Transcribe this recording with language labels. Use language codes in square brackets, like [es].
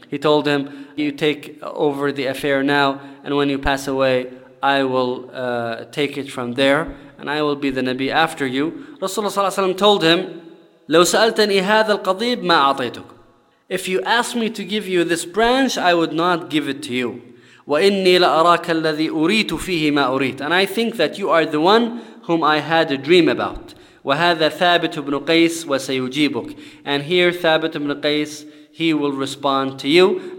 [en] He told him, you take over the affair now, and when you pass away, I will take it from there, and I will be the Nabi after you. Rasulullah sallallahu alayhi wa sallam told him, [ar] لو سألتني هذا القضيب ما أعطيتك. [en] If you ask me to give you this branch, I would not give it to you. [ar] وإني لأراك الذي أريت فيه ما أريت. [en] And I think that you are the one whom I had a dream about. [ar] وهذا ثابت بن قيس وسيجيبك. [en] And here ثابت بن قيس, he will respond to you.